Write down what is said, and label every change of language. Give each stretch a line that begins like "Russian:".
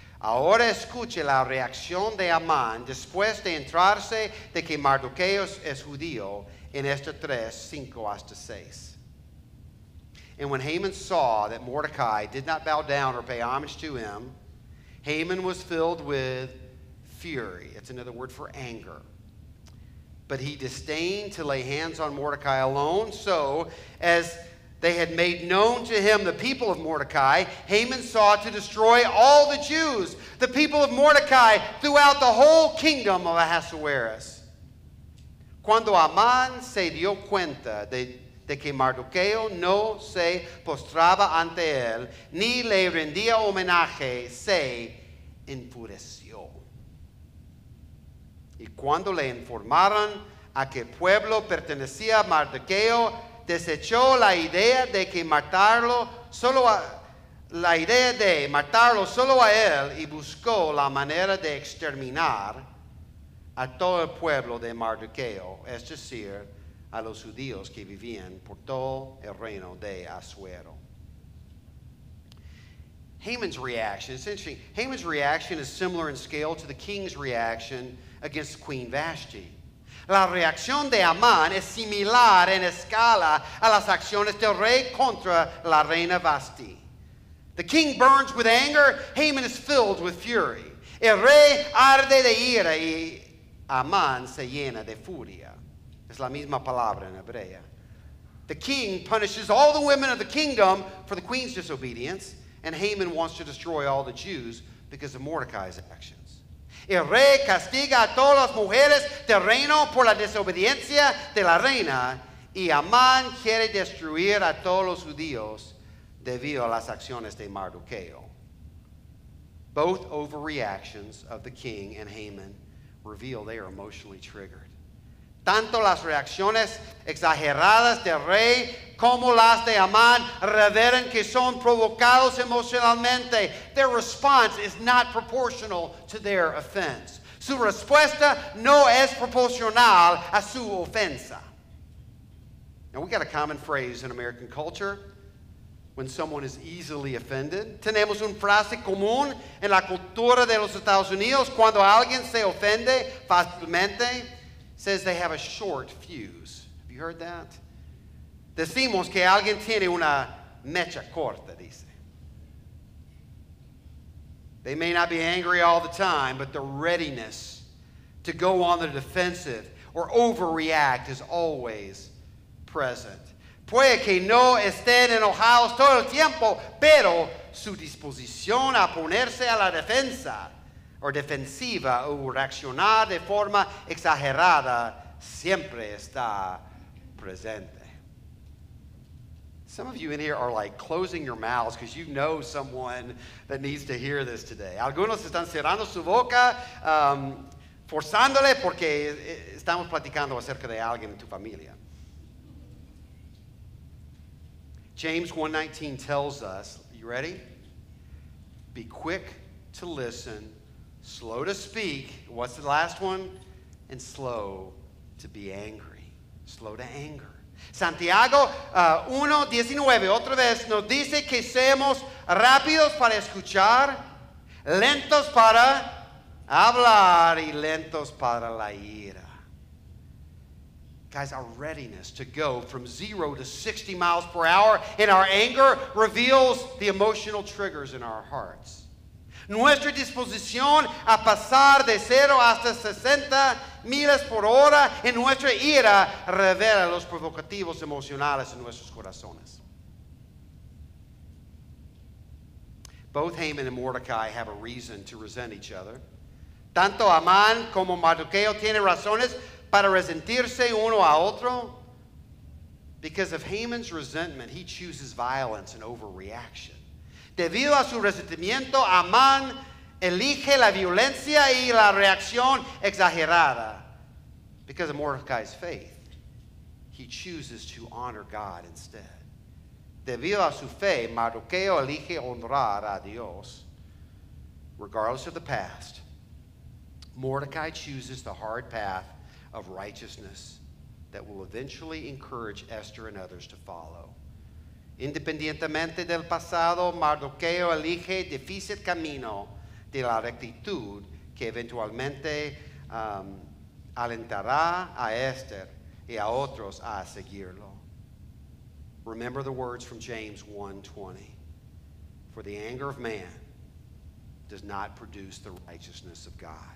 Spanish: Ahora escuche la reacción de Amán después de enterarse de que Mardoqueo es judío en Esther 3, 5 hasta 6.
English: And when Haman saw that Mordecai did not bow down or pay homage to him, Haman was filled with fury. It's another word for anger. But he disdained to lay hands on Mordecai alone. So, as they had made known to him the people of Mordecai, Haman sought to destroy all the Jews, the people of Mordecai, throughout the whole kingdom of Ahasuerus.
Spanish: Cuando Amán se dio cuenta de que Mardoqueo no se postraba ante él, ni le rendía homenaje, se enfureció. Y cuando le informaron a qué pueblo pertenecía Mardoqueo, desechó la idea de que matarlo solo a la idea de matarlo solo a él y buscó la manera de exterminar a todo el pueblo de Mardoqueo, es decir, a los judíos que vivían por todo el reino de Asuero.
English: Haman's reaction, it's interesting. Haman's reaction is similar in scale to the king's reaction against Queen Vashti.
Spanish: La reacción de Amán es similar en escala a las acciones del rey contra la reina Vashti.
English: The king burns with anger, Haman is filled with fury.
Spanish: El rey arde de ira y Amán se llena de furia. Es la misma palabra en hebrea.
English: The king punishes all the women of the kingdom for the queen's disobedience, and Haman wants to destroy all the Jews because of Mordecai's actions.
Spanish: El rey castiga a todas las mujeres del reino por la desobediencia de la reina. Y Amán quiere destruir a todos los judíos debido a las acciones de Mardoqueo.
English: Both overreactions of the king and Haman reveal they are emotionally triggered.
Spanish: Tanto las reacciones exageradas del rey como las de Amán revelan que son provocados emocionalmente.
English: Their response is not proportional to their offense.
Spanish: Su respuesta no es proporcional a su ofensa.
English: Now, we got a common phrase in American culture when someone is easily offended.
Spanish: Tenemos una frase común en la cultura de los Estados Unidos cuando alguien se ofende fácilmente,
English: says they have a short fuse. Have you heard that?
Spanish: Decimos que alguien tiene una mecha corta, dice.
English: They may not be angry all the time, but the readiness to go on the defensive or overreact is always present.
Spanish: Puede que no estén enojados todo el tiempo, pero su disposición a ponerse a la defensa o defensiva o reaccionar de forma exagerada siempre está presente.
English: Some of you in here are like closing your mouths because you know someone that needs to hear this today.
Spanish: Algunos están cerrando su boca, forzándole porque estamos platicando acerca de alguien en tu familia.
English: James 1:19 tells us, you ready? Be quick to listen, slow to speak. What's the last one? And slow to be angry. Slow to anger.
Spanish: Santiago 1:19, otra vez, nos dice que seamos rápidos para escuchar, lentos para hablar y lentos para la ira.
English: Guys, our readiness to go from 0 to 60 miles per hour in our anger reveals the emotional triggers in our hearts.
Spanish: Nuestra disposición a pasar de 0 hasta 60 millas por hora en nuestra ira revela los provocativos emocionales en nuestros corazones.
English: Both Haman and Mordecai have a reason to resent each other.
Spanish: Tanto Amán como Mardoqueo tienen razones para resentirse uno a otro.
English: Because of Haman's resentment, he chooses violence and overreaction.
Spanish: Debido a su resentimiento, Amán elige la violencia y la reacción exagerada.
English: Because of Mordecai's faith, he chooses to honor God instead.
Spanish: Debido a su fe, Mardoqueo elige honrar a Dios.
English: Regardless of the past, Mordecai chooses the hard path of righteousness that will eventually encourage Esther and others to follow.
Spanish: Independientemente del pasado, Mardoqueo elige difícil camino de la rectitud que eventualmente alentará a Esther y a otros a seguirlo.
English: Remember the words from James 1:20. For the anger of man does not produce the righteousness of God.